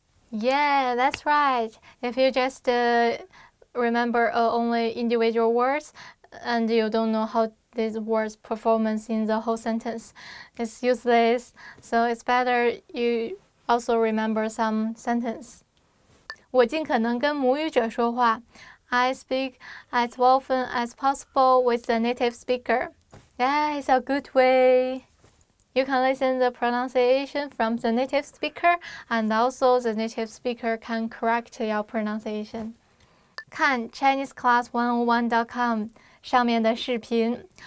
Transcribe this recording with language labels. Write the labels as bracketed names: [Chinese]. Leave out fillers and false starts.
[English] Yeah, that's right. If you just remember only individual words and you don't know how these words perform in the whole sentence, it's useless. So it's better you also remember some sentence. [Chinese] 我尽可能跟母语者说话。 [English] I speak as often as possible with the native speaker. Yeah, it's a good way. You can listen the pronunciation from the native speaker, and also the native speaker can correct your pronunciation. [Chinese] 看 ChineseClass101.com 上面的视频,